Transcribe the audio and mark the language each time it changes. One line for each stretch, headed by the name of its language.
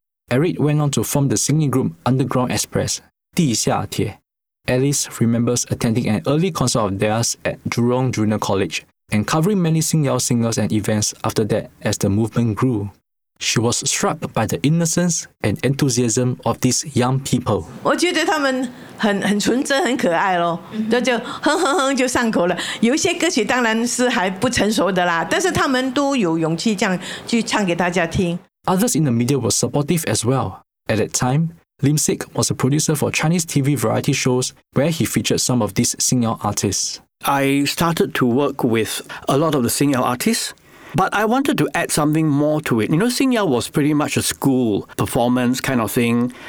English: Eric went on to form the singing group Underground Express, Di Xia Tie. Alice remembers attending an early concert of theirs at Jurong Junior College and covering many Xing Yao singers and events after that as the movement grew. She was struck by the innocence and enthusiasm of these young people.
Chinese: 我觉得他们很纯真，很可爱咯，就哼哼哼就上口了。有一些歌曲当然是还不成熟的啦，但是他们都有勇气这样去唱给大家听。
English: Others in the media were supportive as well. At that time, Lim Sek was a producer for Chinese TV variety shows where he featured some of these Xing Yao artists. I started to work with a lot of the Xing Yao artists, but I wanted to add something more to it. You know, Xing Yao was pretty much a school performance kind of thing.